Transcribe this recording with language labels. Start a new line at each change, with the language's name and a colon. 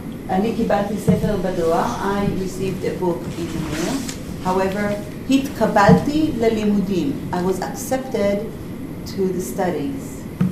Hebrew: אני קיבלתי ספר בדואר,
English: I received a book in the mail.
Hebrew: However, התקבלתי ללימודים.
English: I was accepted to the studies.